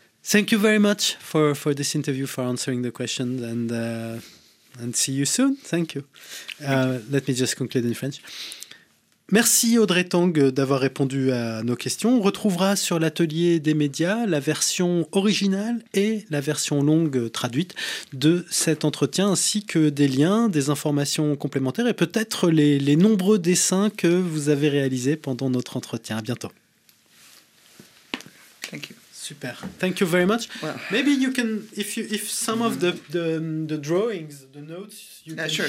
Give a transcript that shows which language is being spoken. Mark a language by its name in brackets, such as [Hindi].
[English] Thank you very much for this interview, for answering the questions, and see you soon. Thank you. Let me just conclude in French. [French] Merci Audrey Tang d'avoir répondu à nos questions. On retrouvera sur l'atelier des médias la version originale et la version longue traduite de cet entretien, ainsi que des liens, des informations complémentaires et peut-être les nombreux dessins que vous avez réalisés pendant notre entretien. À bientôt. [English] Thank you. Super. Thank you very much. Well, maybe you can, if some of the drawings, the notes, you can share.